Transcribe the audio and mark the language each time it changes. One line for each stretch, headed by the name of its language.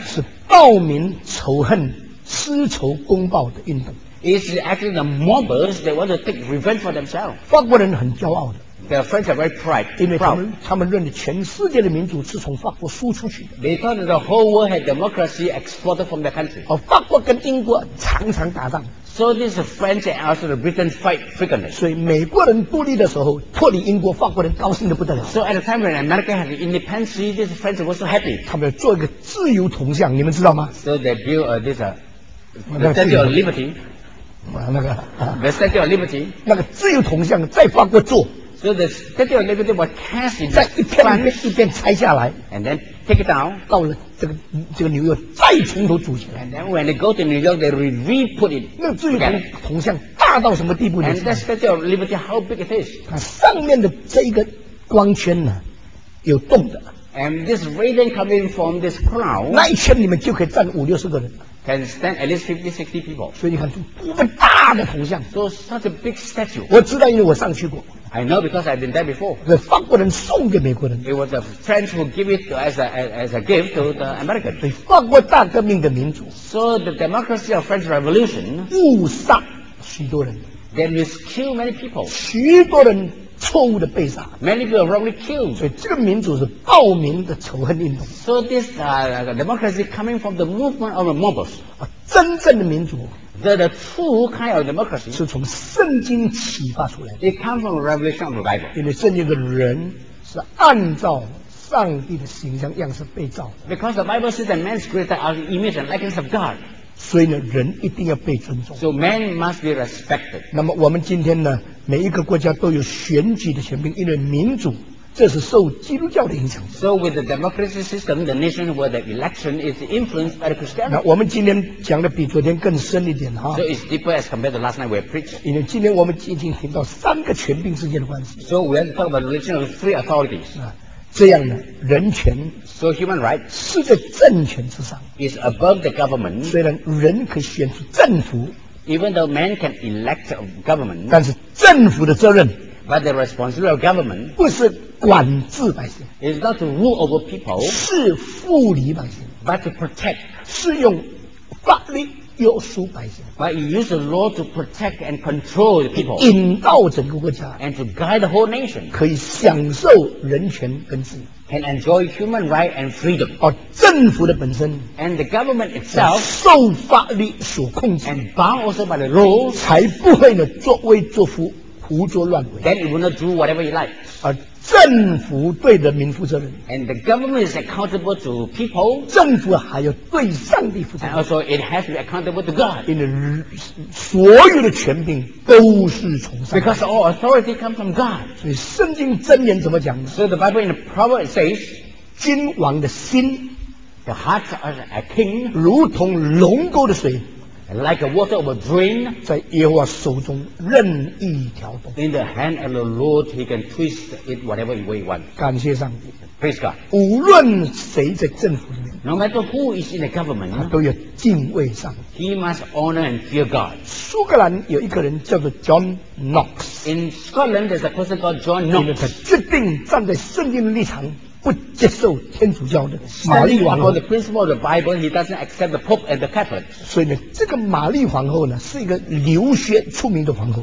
Chinese: 是暴民仇恨私仇公报的运动
English: It's actually the mobbers they want to take revenge for themselves
Chinese: 法国人很骄傲的
English: The French are very pride
Chinese: 因为他们认为全世界的民主是从法国输出去的
English: They thought the whole world had democracy exported from the country
Chinese: 哦，法国跟英国常常打仗
English: So this is French and also the Britain fight frequently
Chinese: 所以美国人独立的时候脱离英国法国人高兴得不得了
English: So at the time when America had independence this French was so happy
Chinese: 他们要做一个自由铜像你们知道吗
English: So they built this the Statue of Liberty
Chinese: 那个、
English: The Statue of Liberty
Chinese: 那个自由铜像在法国做
English: So the Statue of Liberty was cast in
Chinese: 在一片一片拆下来
English: ，and then take it down
Chinese: 到了这个纽约再从头组起来
English: ，and then when they go to New York, they re-put it.
Chinese: 那自由铜像大到什么地步
English: ？And that Statue of Liberty, how big it is?
Chinese: 它上面的这一个光圈呢，有洞的。
English: And this radiant coming from this crown,
Chinese: 那一圈里面就可以站50-60个人。
English: Can stand at least 50-60 people.
Chinese: 所以你看，这么大的铜像
English: ，so such a big statue.
Chinese: 我知道，因为我上去过。
English: I know because I've been there before.
Chinese: 是法国人送给美国人。
English: It was the French who gave it as a gift to the American.
Chinese: 对，法国大革命的民主。
English: So the democracy of French Revolution
Chinese: 误杀许多人。
English: Then we kill many people.
Chinese: 许多人错误的被杀。
English: Many people wrongly killed.
Chinese: 所以这个民主是暴民的仇恨运动。
English: So this democracy coming from the movement of the mobs.
Chinese: 啊，真正的民主。
English: The true kind of democracy
Chinese: 是从圣经启发出来的。
English: It comes from the revelation of the Bible.
Chinese: 因为圣经的人是按照上帝的形象样式被造。
English: Because the Bible says that man's created are the image and likeness of God.
Chinese: 所以呢，人一定要被尊重。
English: So man must be respected.
Chinese: 那么我们今天呢，每一个国家都有选举的权柄，因为民主。这是受基督教的影响。
English: So with the democracy system, the nation where the election is influenced by the Christianity.
Chinese: 那我们今天讲的比昨天更深一点哈。
English: So it's deeper as compared to last night we preached.
Chinese: 因为今天我们已经听到三个权柄之间的关系。
English: So we are talking about the relation of three authorities.
Chinese: 这样呢，人权
English: ，so human rights
Chinese: 是在政权之上
English: ，is above the government.
Chinese: 虽然人可以选出政府
English: ，even though man can elect a government.
Chinese: 但是政府的责任。
English: But the responsibility of government
Chinese: 不是管制百姓
English: is not to rule over people
Chinese: 是护理百姓
English: but to protect
Chinese: 是用法律约束百姓
English: but you use the law to protect and control the people
Chinese: 引导整个国家
English: and to guide the whole nation
Chinese: 可以享受人权跟自由
English: can enjoy human right and freedom
Chinese: 而政府的本身
English: and the government itself
Chinese: 受法律所控制
English: and bound also by the law
Chinese: 才不会呢作威作福胡作乱为。
English: Then you will not do whatever you like.
Chinese: 政府对人民负责任。
English: And the government is accountable to people.
Chinese: 政府还要对上帝负责任。
English: And also it has to be accountable to God.
Chinese: 因为所有的权柄都是从上帝。
English: Because all authority comes from God.
Chinese: 所以圣经箴言怎么讲呢？
English: So the Bible in the Proverbs says,
Chinese: 君王的心
English: the heart of a king,
Chinese: 如同龙沟的水。
English: Like a water of a drain,
Chinese: 在耶和华手中任意调动。
English: In the hand of the Lord, He can twist it whatever way He wants.
Chinese: 感谢上帝。
English: Praise God.
Chinese: 无论谁在政府里面
English: ，No matter who is in the government,
Chinese: 他都要敬畏上帝。
English: He must honor and fear God.
Chinese: 苏格兰有一个人叫做 John Knox.
English: In Scotland, there's a person called John Knox.
Chinese: 他决定站在圣经立场。不接受天主教的玛丽王后
English: on the principle of the Bible, he doesn't accept the Pope and the Catholic.
Chinese: 所以呢，这个玛丽皇后呢，是一个流血出名的皇后。